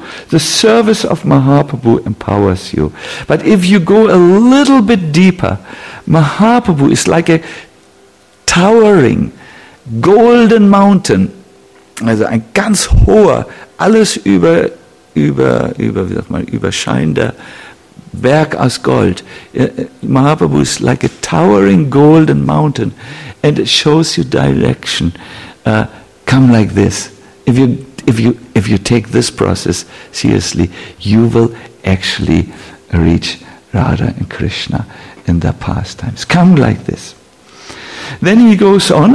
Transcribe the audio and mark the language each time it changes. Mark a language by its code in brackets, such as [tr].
[en] The service of Mahaprabhu empowers you. But if you go a little bit deeper, Mahaprabhu is like a towering golden mountain. [de] Also ein ganz hoher, alles überscheinender Berg aus Gold. [en] Mahaprabhu is like a towering golden mountain, and it shows you direction. Come like this. If you take this process seriously, you will actually reach Radha and Krishna in their pastimes. Come like this. Then he goes on.